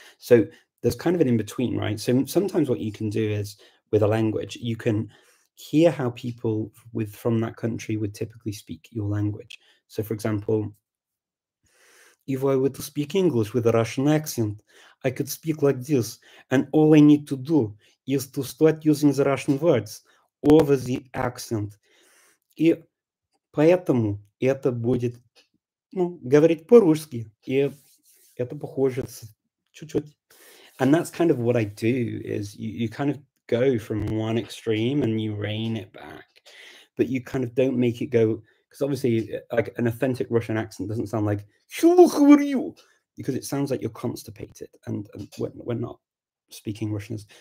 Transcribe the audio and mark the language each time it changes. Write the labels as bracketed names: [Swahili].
[English] So there's kind of an in-between, right? So sometimes what you can do is, with a language, you can hear how people from that country would typically speak your language. So for example, if I would speak English with a Russian accent, I could speak like this. And all I need to do is to start using the Russian words over the accent. [Russian] И поэтому это будет, ну, говорить по-русски. И это похоже чуть-чуть. [English] And that's kind of what I do, is you kind of go from one extreme and you rein it back. But you kind of don't make it go... Because obviously, like, an authentic Russian accent doesn't sound like "Hello, how are you?" because it sounds like you're constipated, and we're not speaking Russians.